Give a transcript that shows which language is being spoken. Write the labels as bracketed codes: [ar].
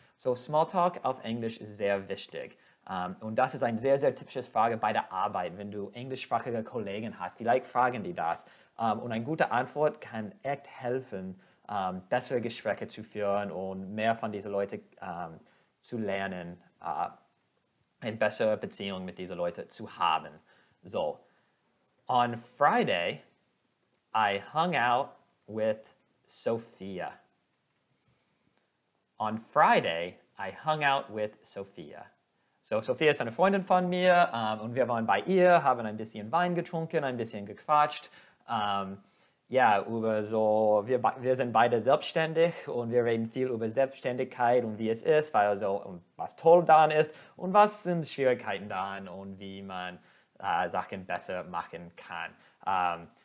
[de] So, Smalltalk auf Englisch ist sehr wichtig. Und das ist eine sehr, sehr typische Frage bei der Arbeit, wenn du englischsprachige Kollegen hast. Vielleicht fragen die das. Und eine gute Antwort kann echt helfen, bessere Gespräche zu führen und mehr von diesen Leuten zu lernen. Eine bessere Beziehung mit diesen Leuten zu haben. [en] So, on Friday, I hung out with Sophia. On Friday, I hung out with Sophia. [de] So, Sophia ist eine Freundin von mir und wir waren bei ihr, haben ein bisschen Wein getrunken, ein bisschen gequatscht. Wir sind beide selbstständig und wir reden viel über Selbstständigkeit und wie es ist, weil so, und was toll daran ist und was sind Schwierigkeiten daran und wie man Sachen besser machen kann.